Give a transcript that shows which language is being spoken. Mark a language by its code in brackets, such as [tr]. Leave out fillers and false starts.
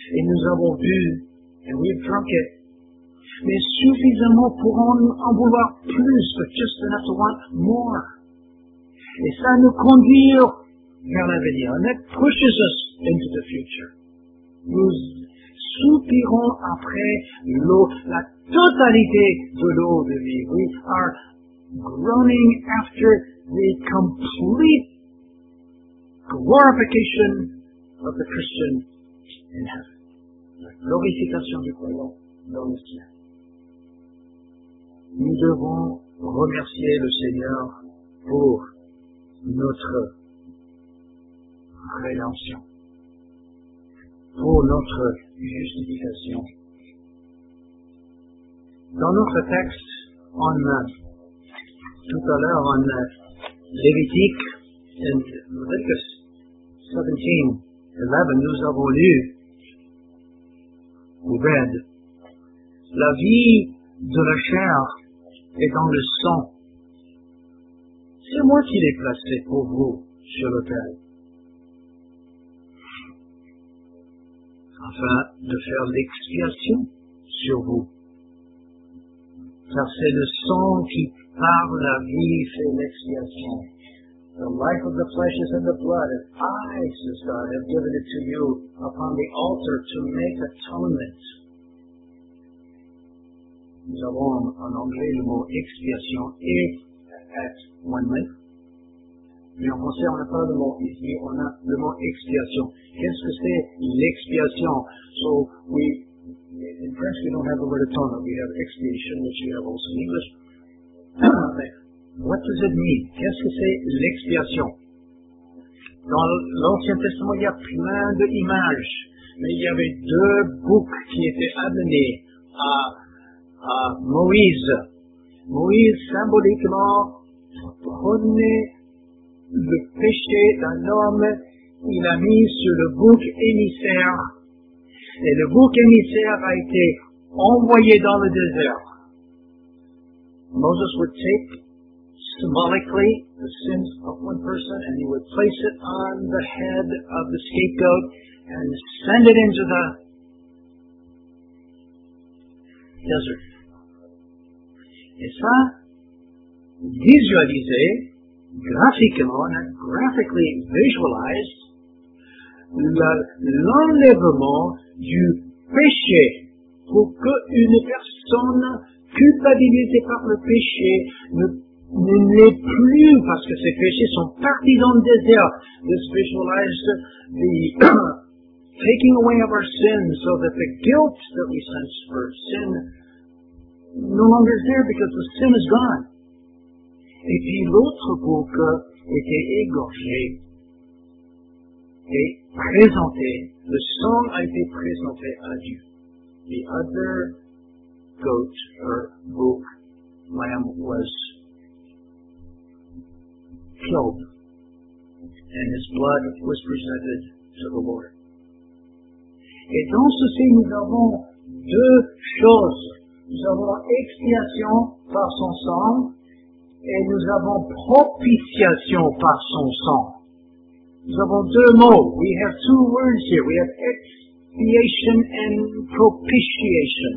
[fr] Et nous avons bu, [en] and we've drunk it. [fr] Mais suffisamment pour en vouloir plus, [en] but just enough to want more. [fr] Et ça nous conduit vers l'avenir. [en] And that pushes us into the future. [fr] Nous soupirons après l'eau, la totalité de l'eau de vie. [en] We are groaning after the complete glorification of the Christian in heaven. [fr] La glorification du croyant dans le ciel. Nous devons remercier le Seigneur pour notre rédemption, pour notre justification. Dans notre texte, on a tout à l'heure en Lévitique 17:11, nous avons lu ou read, la vie de la chair est dans le sang. C'est moi qui l'ai placé pour vous sur l'autel, afin de faire l'expiation sur vous. Car c'est le sang qui par la vie fait l'expiation. [en] The life of the flesh is in the blood, and I, says God, have given it to you upon the altar to make atonement. [fr] Nous avons en anglais le mot expiation et atonement. Mais en français, on n'a pas le mot ici, on a le mot expiation. Qu'est-ce que c'est l'expiation? [en] So, we, in French, we don't have the word atonement. We have expiation, which we have also in English. What does it mean? [fr] Qu'est-ce que c'est l'expiation? Dans l'Ancien Testament, il y a plein d'images. Mais il y avait deux boucs qui étaient amenés à Moïse. Moïse, symboliquement, prenait le péché d'un homme, il a mis sur le bouc émissaire. Et le bouc émissaire a été envoyé dans le désert. [en] Moses would take symbolically the sins of one person and he would place it on the head of the scapegoat and send it into the desert. [fr] Et ça, visualisé, graphiquement, [en] graphically visualized, [fr] l'enlèvement du péché pour que une personne culpabilisé par le péché, ne l'est plus parce que ses péchés sont partis dans le désert. [en] This visualized the taking away of our sins so that the guilt that we sense for sin no longer is there because the sin is gone. [fr] Et puis l'autre bouc était égorgé et présenté. Le sang a été présenté à Dieu. [en] The other goat or bull lamb was killed and his blood was presented to the Lord. [fr] Et dans ceci, nous avons deux choses. Nous avons expiation par son sang et nous avons propitiation par son sang. Nous avons deux mots. [en] We have two words here. We have expiation and propitiation.